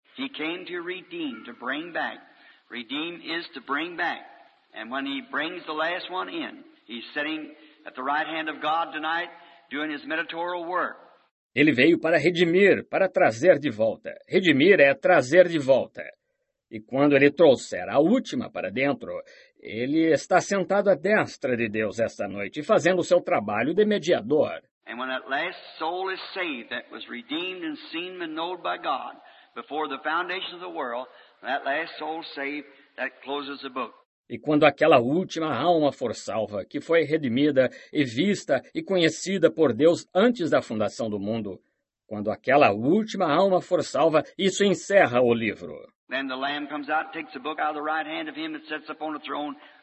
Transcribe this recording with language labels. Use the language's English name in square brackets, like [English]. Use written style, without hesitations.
[English] He came to redeem, to bring back. Redeem is to bring back. And when he brings the last one in, he's sitting at the right hand of God tonight doing his mediatorial work. [Portuguese] Ele veio para redimir, para trazer de volta. Redimir é trazer de volta. E quando ele trouxer a última para dentro, ele está sentado à destra de Deus esta noite, fazendo o seu trabalho de mediador. [English] And when that last soul is saved, that was redeemed and seen and known by God before the foundation of the world, that last soul saved, that closes the book. [Portuguese] E quando aquela última alma for salva, que foi redimida e vista e conhecida por Deus antes da fundação do mundo, quando aquela última alma for salva, isso encerra o livro. [English] Then the Lamb comes out, takes the book out of the right hand of him that sits upon the throne.